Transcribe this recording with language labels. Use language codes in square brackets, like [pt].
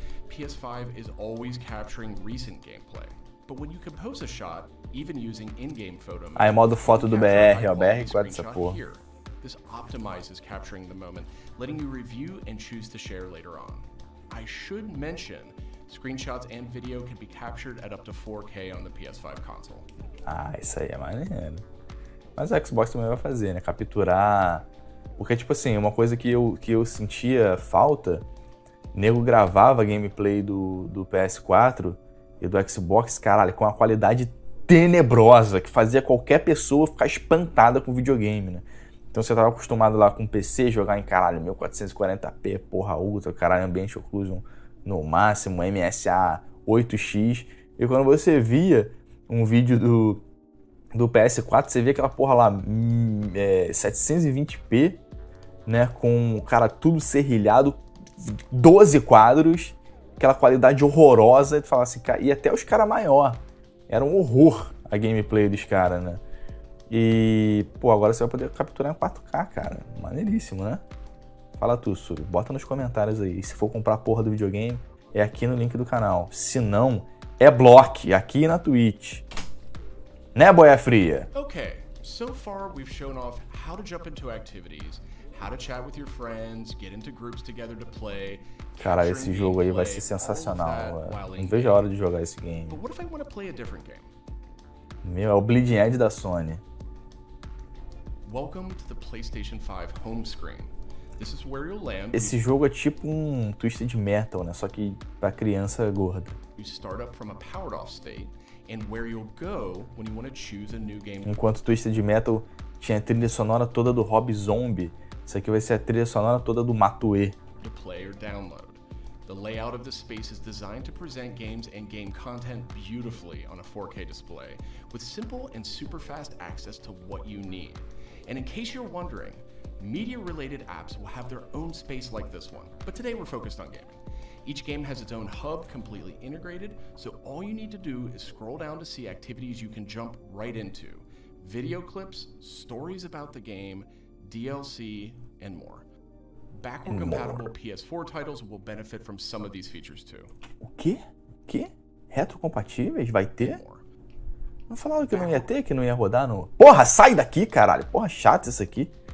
[en] PS5 is always capturing recent gameplay, but when you compose a shot, even using in-game photo [pt] mode, aí modo foto do BR, ó, BR guarda essa porra. [en] This optimizes capturing the moment, letting you review and choose to share later on. I should mention, screenshots and video can be captured at up to 4K on the PS5 console. [pt] Ah, isso aí é maneiro. Mas o Xbox também vai fazer, né? Capturar. Porque, tipo assim, uma coisa que eu sentia falta, nego gravava gameplay do PS4 e do Xbox, caralho, com uma qualidade tenebrosa, que fazia qualquer pessoa ficar espantada com videogame, né? Então você tava acostumado lá com PC, jogar em, caralho, 1440p, porra, ultra, caralho, ambiente occlusion no máximo, MSA 8X. E quando você via um vídeo do PS4, você via aquela porra lá, 720p, né, com, cara, tudo serrilhado, 12 quadros, aquela qualidade horrorosa, e tu falava assim, e até os caras maior. Era um horror a gameplay dos caras, né? E, pô, agora você vai poder capturar em 4K, cara. Maneiríssimo, né? Fala tu, Suri. Bota nos comentários aí. Se for comprar a porra do videogame, é aqui no link do canal. Se não, é Block, aqui na Twitch. Né, boia fria? Ok. [en] So far, we've shown off how to jump into activities, how to chat with your friends, get into groups together to play. [pt] Cara, esse jogo aí vai ser sensacional. Não vejo a hora de jogar esse game. [en] But what if I want to play a different game? [pt] Meu, é o Bleeding Edge da Sony. [en] Welcome to the PlayStation 5 home screen. This is where you'll land. [pt] Esse jogo é tipo um Twisted Metal, né? Só que pra criança gorda. [en] You start up from a powered off state and where you'll go when you want to choose a new game. [pt] Enquanto Twisted Metal tinha a trilha sonora toda do Rob Zombie, isso aqui vai ser a trilha sonora toda do Matuê. [en] To play or download. The layout of the space is designed to present games and game content beautifully on a 4K display, with simple and super fast access to what you need. And in case you're wondering, media-related apps will have their own space like this one, but today we're focused on gaming. Each game has its own hub completely integrated, so all you need to do is scroll down to see activities you can jump right into. Video clips, stories about the game, DLC, and more. Backward compatible PS4 titles will benefit from some of these features too. [pt] O quê? O quê? Retrocompatíveis? Vai ter? Não falaram que não ia ter, que não ia rodar no... Porra, sai daqui, caralho! Porra, chato isso aqui.